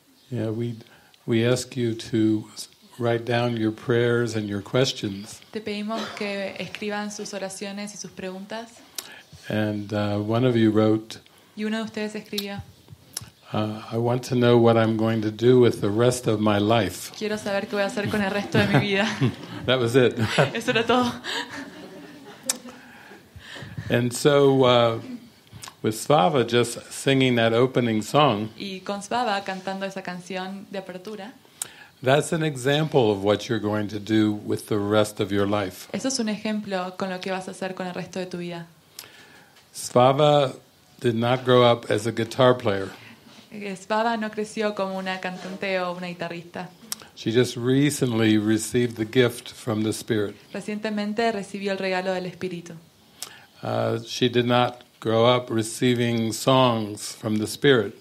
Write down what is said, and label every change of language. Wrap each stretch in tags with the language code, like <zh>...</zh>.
<en>Yeah, we ask you to write down your prayers and your questions.</en> <es>Te pedimos que escriban sus oraciones y sus preguntas.</es> <en>And one of you wrote,</en> <es>y uno de ustedes escribió,</es> <en>I want to know what I'm going to do with the rest of my life.</en> <es>Quiero saber qué voy a hacer con el resto de mi vida.</es> <en>That was it.</en> <es>Eso era todo.</es> <en>And so with Svava just singing that opening song,</en> <es>y con Svava cantando esa canción de apertura,</es> <en>that's an example of what you're going to do with the rest of your life.</en> <es>Eso es un ejemplo con lo que vas a hacer con el resto de tu vida.</es> <en>Svava did not grow up as a guitar player.</en> <es>Svava no creció como una cantante o una guitarrista.</es> <en>She just recently received the gift from the Spirit.</en> <es>Recientemente recibió el regalo del Espíritu.</es> <en>She did not grow up receiving songs from the Spirit.</en>